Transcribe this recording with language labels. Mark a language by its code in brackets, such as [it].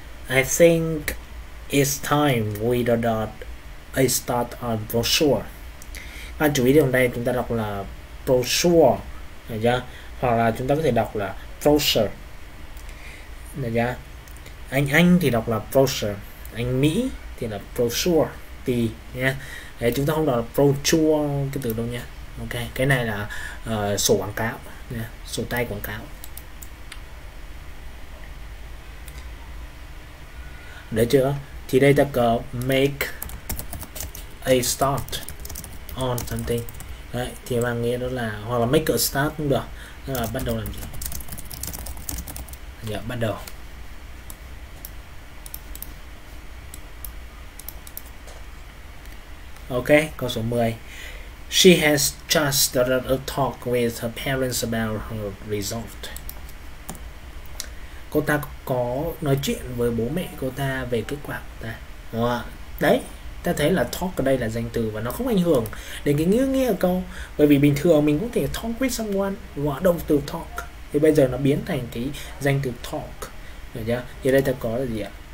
[en] I think it's time we adopt a start on brochure. [vi] Bạn chú ý điều này, chúng ta đọc là brochure, được chưa? Hoặc là chúng ta có thể đọc là brochure, được chưa? Anh thì đọc là brochure, anh Mỹ thì là brochure, thì nhé. Để chúng ta không đọc là brochure cái từ đâu nha. Ok, cái này là sổ quảng cáo, nha. Sổ tay quảng cáo. Đấy chưa? Thì đây ta có make a start on something. Đấy, thì mang nghĩa đó là, hoặc là make a start cũng được. Nên là bắt đầu làm gì? Dạ, bắt đầu. Ok, câu số 10. [en] She has just started a talk with her parents about her result. [vi] Cô ta có nói chuyện với bố mẹ cô ta về kết quả của ta. Đúng không ạ? Đấy, ta thấy là talk ở đây là danh từ và nó không ảnh hưởng đến cái ngữ nghĩa câu. Bởi vì bình thường mình cũng thể talk with someone, hoặc động từ talk. Thì bây giờ nó biến thành cái danh từ talk. Được chưa? Thì đây ta có là gì ạ?